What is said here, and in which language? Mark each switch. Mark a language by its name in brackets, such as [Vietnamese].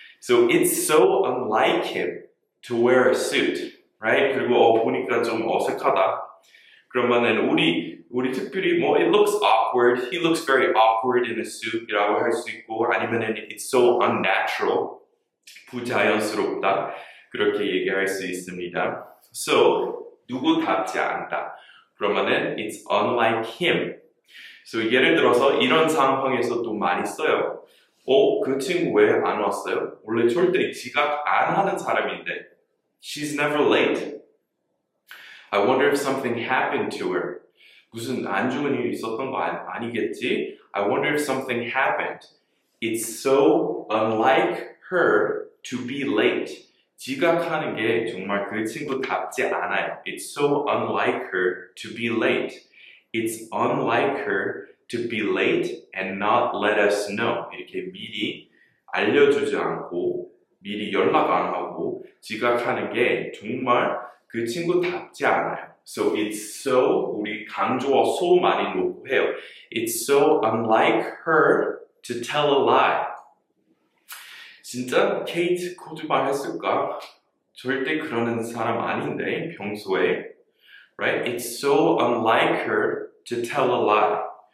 [English] So it's so unlike him to wear a suit. Right? [Korean] 그리고 보니까 좀 어색하다. 그러면은 우리 특별히 뭐 [English] it looks awkward. He looks very awkward in a suit. [Korean] 이라고 할 수 있고 아니면은 [English] it's so unnatural. [Korean] 부자연스럽다. 그렇게 얘기할 수 있습니다. [English] So [Korean] 누구답지 않다. 그러면은 [English] it's unlike him. [Korean] So 예를 들어서 이런 상황에서 또 많이 써요. 그 친구 왜 안 왔어요? 원래 절대 지각 안 하는 사람인데. [English] She's never late. I wonder if something happened to her. [Korean] 무슨 안 좋은 일이 있었던 거 아니겠지? [English] I wonder if something happened. It's so unlike her to be late. [Korean] 지각하는 게 정말 그 친구 답지 않아요. [English] It's so unlike her to be late. It's unlike her to be late and not let us know. [Korean] 이렇게 미리 알려주지 않고 미리 연락 안 하고 지각하는 게 정말 그 친구 답지 않아요. [English] So it's so, [Korean] 우리 강조어 so 많이 놓고 해요. [English] It's so unlike her to tell a lie. [Korean] 진짜 케이트 거짓말 했을까? 절대 그러는 사람 아닌데 평소에 right? [English] It's so unlike her to tell a lie.